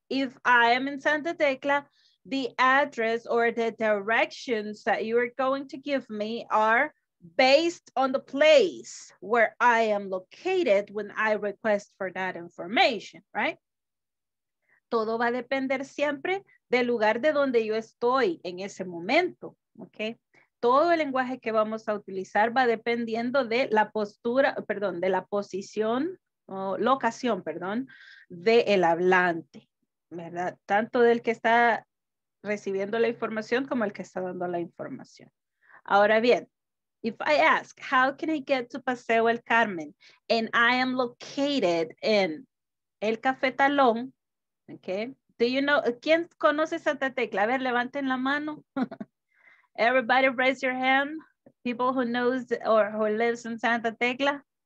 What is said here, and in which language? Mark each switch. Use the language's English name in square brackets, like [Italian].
[English] If I am in Santa Tecla, the address or the directions that you are going to give me are based on the place where I am located when I request for that information, right? [Spanish] Todo va a depender siempre del lugar de donde yo estoy en ese momento, okay? Todo el lenguaje que vamos a utilizar va dependiendo de la postura, perdón, de la posición o locación, perdón, de el hablante, ¿verdad? Tanto del que está recibiendo la información como el que está dando la información. Ahora bien, [English] if I ask, how can I get to Paseo El Carmen? And I am located in El Café Talón, okay? Do you know, [Spanish] ¿quién conoce Santa Tecla? A ver, levanten la mano. [English] Everybody raise your hand. People who knows or who lives in Santa Tecla.